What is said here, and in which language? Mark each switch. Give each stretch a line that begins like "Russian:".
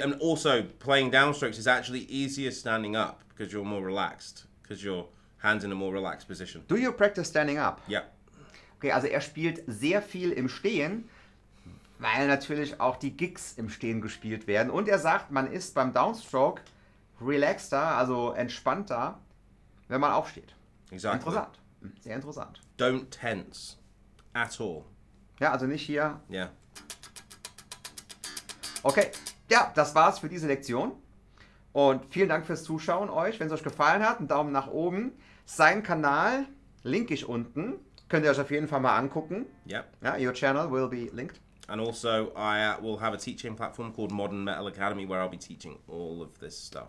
English: And also, playing downstrokes is actually easier standing up because you're more relaxed, because your hand's in a more relaxed position. Do you practice standing up? Yeah.
German: Okay, also er spielt sehr viel im Stehen, weil natürlich auch die Gigs im Stehen gespielt werden. Und er sagt, man ist beim Downstroke relaxter, also entspannter, wenn man aufsteht.
English: Exactly.
German: Interessant. Sehr interessant.
English: Don't tense at all.
German: Ja, also nicht hier.
English: Yeah.
German: Okay, ja, das war's für diese Lektion. Und vielen Dank fürs Zuschauen euch. Wenn es euch gefallen hat, einen Daumen nach oben. Sein Kanal linke ich unten. Könnt ihr euch auf jeden Fall mal angucken.
English: Yeah. Ja, your channel will be linked. And also, I will have a teaching platform called Modern Metal Academy, where I'll be teaching all of this stuff.